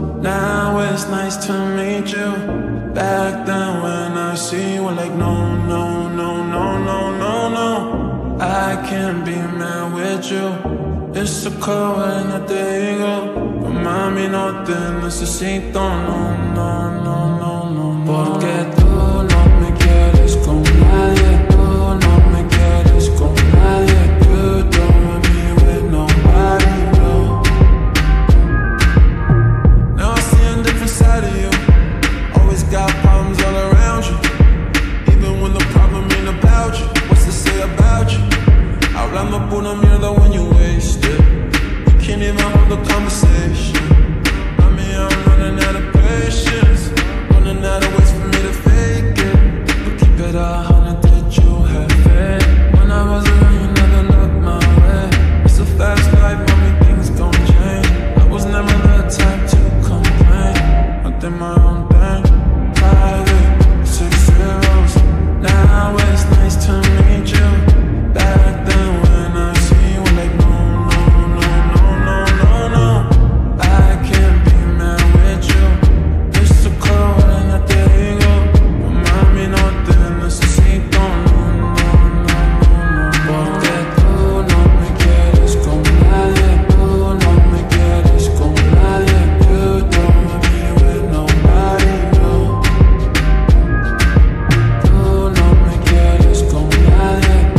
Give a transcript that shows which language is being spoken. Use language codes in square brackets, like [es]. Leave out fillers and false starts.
[en] Now it's nice to meet you. Back then when I see you, like no, no, no, no, no, no, no, I can't be mad with you. It's so cold when I think of. Remind me nothing, [es] necesito, [en] no, no, no, no, no, no. [es] Porque tú no me quieres con nadie. Tú no me quieres con nadie. [en] You don't want me with nobody, no. Now I see a different side of you. Always got problems all around you. Even when the problem ain't about you, what's to say about you? [es] Hablando pura mierda [en] when you waste it. You can't even hold a conversation. I mean, I'm running out of patience. Running out of ways for me to fake it. But keep it 100, did you have faith? When I was around, you never looked my way. It's a fast life, mommy, things gon' change. I was never the type to complain. I did my own thing, private, 6 zeros. Now it's nice to meet you. Back then when I see you, like no, no, no, no, no, no, no, I can't be mad with you. It's so cold and I think of. Remind me nothing, [es] necesito, [en] no, no, no, no, no. [es] Porque tú no me quieres con nadie. Tú no me quieres con nadie. [en] You don't want me with nobody, no. [es] Tú no me quieres con nadie.